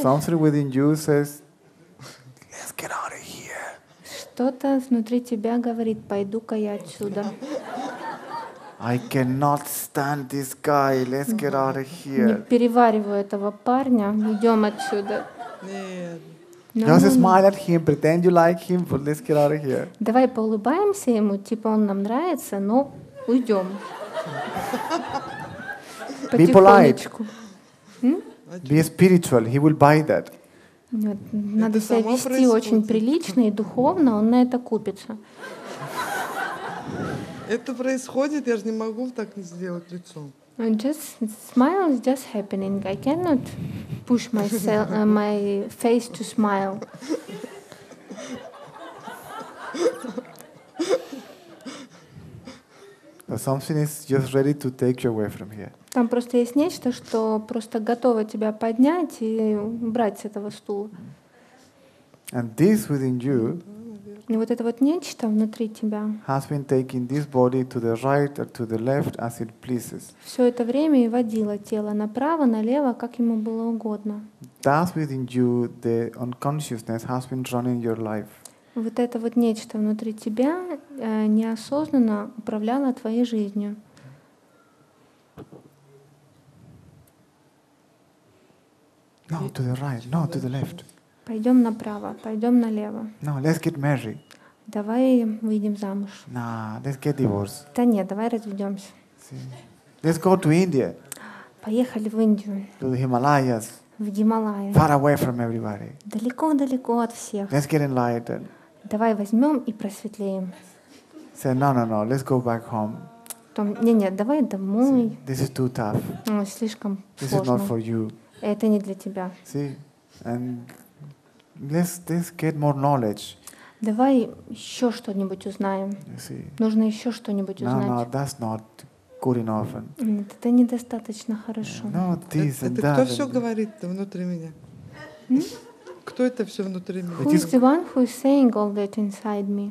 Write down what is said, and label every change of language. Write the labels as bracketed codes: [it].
[en] Something within you says, let's get out of here. [ru] Что-то внутри тебя говорит, пойду-ка я отсюда. [en] I cannot stand this guy, let's get out of here. [ru] Не перевариваю этого парня, идем отсюда. [en] Just smile at him, pretend you like him, but let's get out of here. [ru] Давай поулыбаемся ему, типа он нам нравится, но уйдем. [en] Be polite. Be spiritual. He will buy that. [ru] Надо себя вести очень прилично и духовно. Он на это купится. Это происходит, я же не могу так не сделать лицом. [en] And just smile is just happening. I cannot push myself, my face to smile. But something is just ready to take you away from here. [ru] Там просто есть нечто, что просто готово тебя поднять и убрать с этого стула. [en] And this within you. [ru] И вот это вот нечто внутри тебя. [en] Has been taking this body to the right or to the left as it pleases. [ru] Все это время и водило тело направо, налево, как ему было угодно. [en] That within you, the unconsciousness has been running your life. [ru] Вот это вот нечто внутри тебя неосознанно управляло твоей жизнью. [en] No, to the right. No, to the left. [ru] Пойдем направо, пойдем налево. [en] No, let's get married. [ru] Давай выйдем замуж. [en] No, let's get divorced. [ru] Да нет, давай разведемся. [en] See. Let's go to India. [ru] Поехали в Индию. [en] To the Himalayas. [ru] В Гималаи. [en] Far away from everybody. [ru] Далеко-далеко от всех. [en] Let's get enlightened. [ru] Давай возьмем и просветлеем. [en] Say, no, let's go back home. [ru] Потом, нет, давай домой. [en] See. This is too tough. [ru] Ну, слишком [en] this [ru] сложно. [en] This is not for you. [ru] Это не для тебя. [en] See, and let's get more knowledge. [ru] Давай еще что-нибудь узнаем. Нужно еще что-нибудь узнать. [en] No, that's not good enough. [ru] Нет, это недостаточно хорошо. [en] No, this [ru] это, [en] and [ru] это [en] that. [ru] Это кто все говорит внутри меня? Кто это все внутри меня? [en] Who is the one who is saying all that inside me?